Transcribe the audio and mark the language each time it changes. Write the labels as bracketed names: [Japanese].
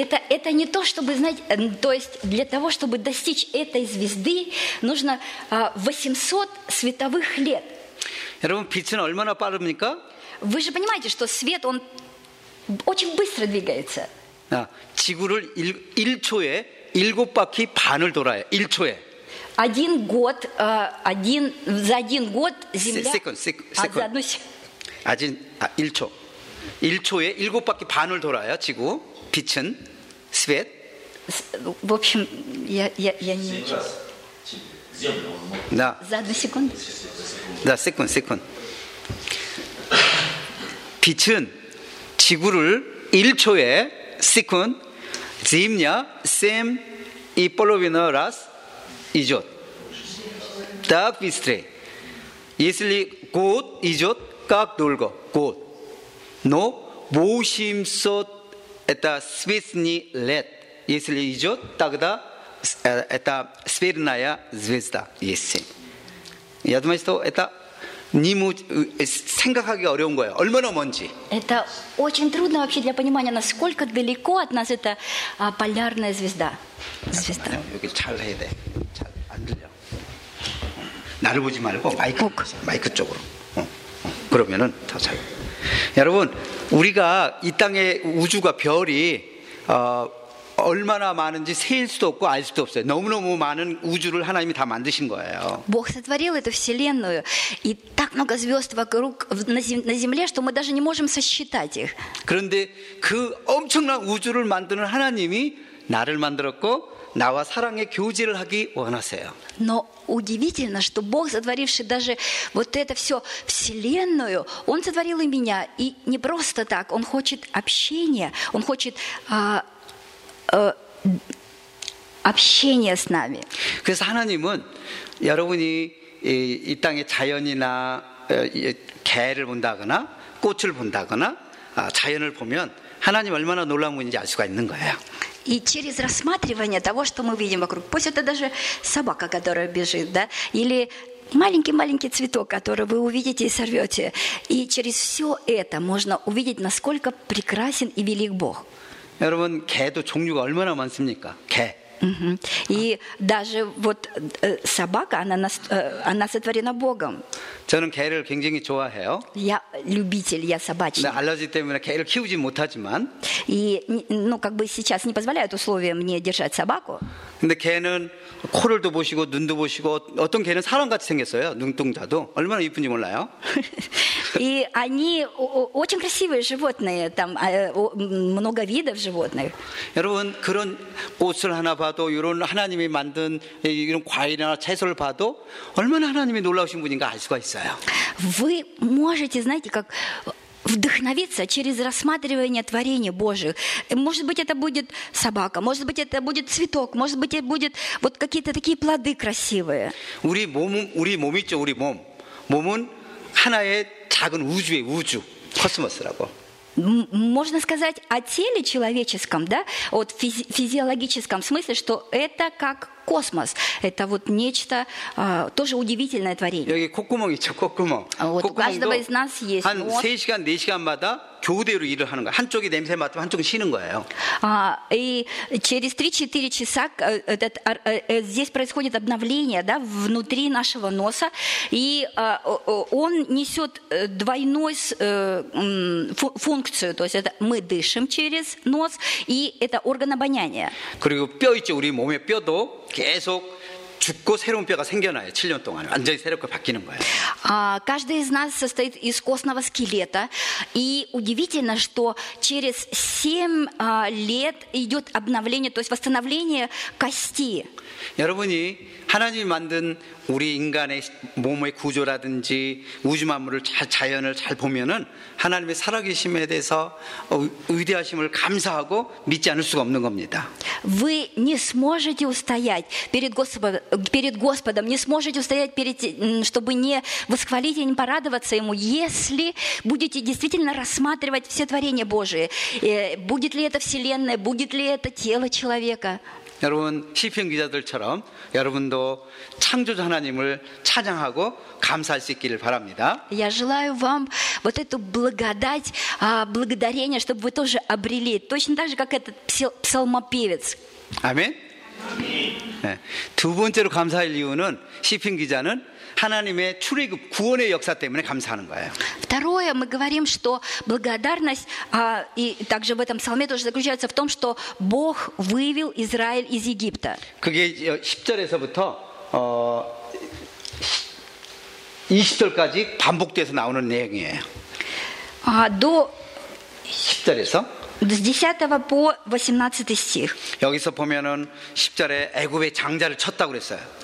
[Russian] Это не то, чтобы, знать, то есть для того, чтобы достичь этой звезды, нужно 800 световых лет. [Korean] 여러분, 빛은 얼마나 빠릅니까? [Russian] Вы же понимаете, что свет, он очень быстро двигается. [Korean] 지구를 1초에 일곱 바퀴 반을 돌아요. 1초에. [Russian] Один год, один за один год земля. Секунд. Одну секунду. [Korean] 1초. 1초에 일곱 바퀴 반을 돌아요, 지구. 빛은 [Russian] свет. В общем, я не. Землю. Да. За одну секунду. Да, секунд, секунд. [Korean] 빛은 지구를 1초에 [Russian] секунд. Земля, сем и половина раз идёт. Так быстрее. Если год идёт, как долго? Год. Но 800 это светный лет. Если идёт, тогда это сверная звезда. Если. Я думаю, что это не муч... [Korean] 생각하기 어려운 거예요. 얼마나 먼지. [Russian] Это очень трудно вообще для понимания, насколько далеко от нас эта полярная звезда. Звезда. [Korean] 여기 잘 해야 돼. 잘 안 들려. 나를 보지 말고 마이크 쪽으로. 그러면은 더 잘. 여러분, 우리가 이 땅에 우주가 별이 얼마나 많은지 셀 수도 없고 알 수도 없어요. 너무너무 많은 우주를 하나님이 다 만드신 거예요. [Russian] Бог сотворил эту вселенную и так много звёзд вокруг на земле, что мы даже не можем сосчитать их. [Korean] 그런데 그 엄청난 우주를 만드는 하나님이 나를 만들었고 나와 사랑의 교제를 하기 원하세요. [Russian] Но удивительно, что Бог, сотворивший даже вот это все вселенную, Он сотворил и меня, и не просто так. Он хочет общения, Он хочет общения с нами. [Korean] 그래서 하나님은 여러분이 이 땅의 자연이나 개를 본다거나 꽃을 본다거나 자연을 보면 하나님 얼마나 놀라운 분인지 알 수가 있는 거예요. [Russian] И через рассматривание того, что мы видим вокруг, пусть это даже собака, которая бежит, да, или маленький-маленький цветок, который вы увидите и сорвете, и через все это можно увидеть, насколько прекрасен и велик Бог. [Korean] 여러분, 개도 종류가 얼마나 많습니까? 개. [Russian] И даже вот собака, она сотворена Богом. [Korean] 저는 개를 굉장히 좋아해요. [Russian] Я любитель, я собачник. [Korean] 네, 알러지 때문에 개를 키우지 못하지만. [Russian] И, ну, как бы сейчас не позволяют условия мне держать собаку. [Korean] 근데 개는 코를 또 보시고 눈도 보시고 어떤 개는 사람같이 생겼어요. 눈동자도 얼마나 이쁜지 몰라요. [Russian] И они очень красивые животные, там много видов животных. [Korean] 여러분, 그런 꽃을 하나 봐도, 이런 하나님이 만든 이런 과일이나 채소를 봐도 얼마나 하나님이 놀라우신 분인가 알 수가 있어요. [Russian] Вы можете, знаете, как вдохновиться через рассматривание творения Божьих. Может быть, это будет собака, может быть, это будет цветок, может быть, это будет вот какие-то такие плоды красивые. [Korean] 우리 몸, 우리 몸 있죠, 우리 몸. 몸은 하나의 작은 우주의 우주, 코스모스라고. [Russian] Можно сказать о теле человеческом, да, вот физиологическом смысле, что это как космос, это вот нечто тоже удивительное творение. [Korean] 여기 콧구멍 있죠, 콧구멍. [Russian] Вот у каждого из нас есть. [Korean] 한 3시간, 4시간마다 교대로 일을 하는 거야. 한쪽이 냄새 맡으면 한쪽은 쉬는 거예요. [Russian] 아, и через 3-4 часа этот здесь происходит обновление, да, внутри нашего носа, и он несет двойной функцию, то есть это мы дышим через нос, и это орган обоняния. [Korean] 그리고 뼈 있죠, 우리 몸에 뼈도 계속 죽고 새로운 뼈가 생겨나요. 7년 동안 완전히 새롭게 바뀌는 거예요. [Russian] Каждый из нас состоит из костного скелета, и удивительно, что через 7 лет идет обновление, то есть восстановление кости. [Korean] 여러분이 하나님이 만든 우리 인간의 몸의 구조라든지 우주 만물을 자연을 잘 보면은 하나님의 살아계심에 대해서 위대하심을 감사하고 믿지 않을 수가 없는 겁니다. [Russian] Вы не сможете устоять перед Господом, не сможете устоять перед, чтобы не восхвалить и не порадоваться Ему, если будете действительно рассматривать все творения Божие. Будет ли это вселенная, будет ли это тело человека? [Korean] 여러분, 시편 기자들처럼 여러분도 창조주 하나님을 찬양하고 감사할 수 있기를 바랍니다. [Russian] Я желаю вам вот эту благодать, благодарение, чтобы вы тоже обрели, точно так же, как этот псалмопевец. Аминь. Аминь. [Korean] 두 번째로 감사할 이유는 시편 기자는 하나님의 출애굽 구원의 역사 때문에 감사하는 거예요. [Russian] Второе, мы говорим, что благодарность, а, и также в этом псалме тоже заключается в том, что Бог вывел Израиль из Египта. [Korean] 그게 10절에서부터 20절까지 반복돼서 나오는 내용이에요. [Russian] 아, до [Korean] 10절에서 [Russian] с 10 по 18 стих. [Korean] 여기서 보면은 10절에 애굽의 장자를 쳤다고 그랬어요.